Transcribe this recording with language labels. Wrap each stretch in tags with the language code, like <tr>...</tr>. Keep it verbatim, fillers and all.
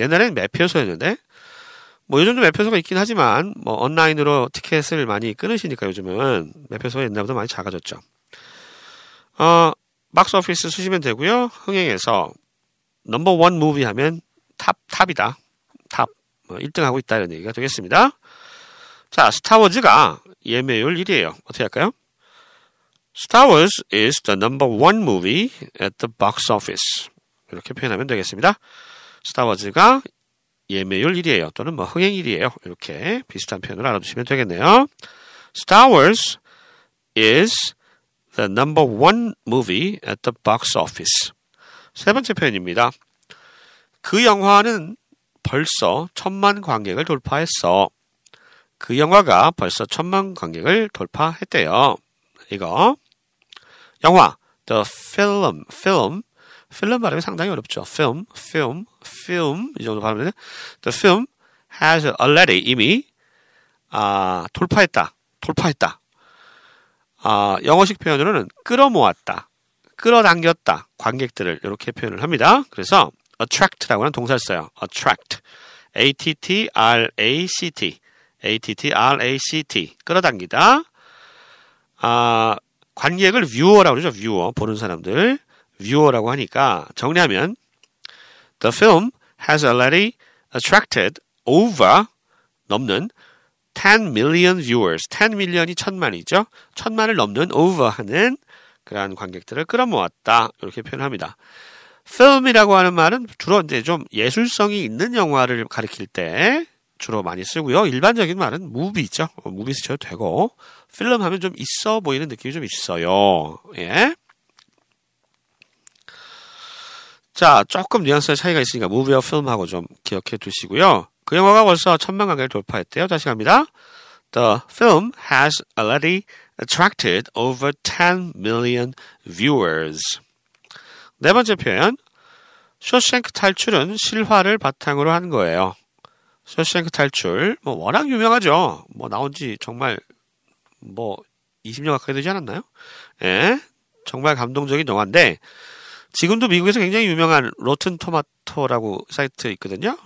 <ko>옛날에는 매표소였는데 뭐 요즘도 매표소가 있긴 하지만 뭐 온라인으로 티켓을 많이 끊으시니까 요즘은 매표소가 옛날보다 많이 작아졌죠. 어, 박스오피스 쓰시면 되고요. 흥행에서 넘버 원 무비 하면 탑, 탑이다. 탑. 뭐 일 등하고 있다 이런 얘기가 되겠습니다. 자, 스타워즈가 예매율 일이에요. 어떻게 할까요?</ko> <en>Star Wars is the number one movie at the box office.</en> <ko>이렇게 표현하면 되겠습니다. 스타워즈가 예매율 일이에요. 또는 뭐 흥행 일이에요. 이렇게 비슷한 표현을 알아두시면 되겠네요.</ko> <en>Star Wars is the number one movie at the box office.</en> <ko>세 번째 표현입니다. 그 영화는 벌써 천만 관객을 돌파했어. 그 영화가 벌써 천만 관객을 돌파했대요. 이거 영화</ko> <en>the film film film</en> <ko>발음이 상당히 어렵죠.</ko> <en>film film film</en> <ko>이 정도 발음인데</ko> <en>the film has already</en> <ko>이미 아 돌파했다 돌파했다 아 영어식 표현으로는 끌어모았다 끌어당겼다 관객들을 이렇게 표현을 합니다. 그래서 attract라고 하는 동사를 써요.</ko> <en>attract a t t r a c t attract</en> <ko>끌어당기다. 아, 관객을 viewer라고 그러죠.</ko> <en>viewer</en> <ko>보는 사람들</ko> <en>viewer라고 하니까 정리하면 The film has already attracted over</en> <ko>넘는</ko> <en>ten million viewers. ten million</en> <ko>이 천만이죠. 천만을 넘는 over하는 그러한 관객들을 끌어모았다. 이렇게 표현합니다. film이라고 하는 말은 주로 이제 좀 예술성이 있는 영화를 가리킬 때 주로 많이 쓰고요. 일반적인 말은 무비죠. 무비 쓰셔도 되고 필름 하면 좀 있어 보이는 느낌이 좀 있어요. 예. 자, 조금 뉘앙스의 차이가 있으니까 무비와 필름하고 좀 기억해 두시고요. 그 영화가 벌써 천만 관객을 돌파했대요. 다시 갑니다.</ko> <en>The film has already attracted over ten million viewers.</en> <ko>네 번째 표현. 쇼생크 탈출은 실화를 바탕으로 한 거예요. 쇼생크 탈출, 뭐, 워낙 유명하죠. 뭐, 나온 지 정말, 뭐, 이십 년 가까이 되지 않았나요? 예. 정말 감동적인 영화인데, 지금도 미국에서 굉장히 유명한 로튼 토마토라고 사이트 있거든요.</ko>